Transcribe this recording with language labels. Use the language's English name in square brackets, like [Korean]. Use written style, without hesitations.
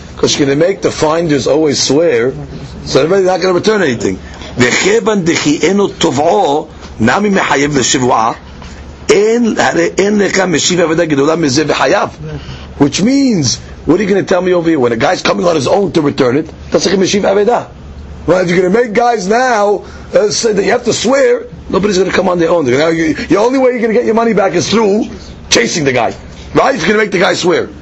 [English] Because you're going to make the finders always swear, so everybody's not going to return anything. [Hebrew] וכיוון דכי אינו תובעו, נמי מחייב לשבועה, אין, הרי אין לך משיב עבודה גדולה מזה וחייב. [English] Which means, what are you going to tell me over here? When a guy's coming on his own to return it, that's like a Meshiv Aveda. Well, if you're going to make guys now say that you have to swear, nobody's going to come on their own. Now, the only way you're going to get your money back is through chasing the guy. Right? If you're going to make the guy swear.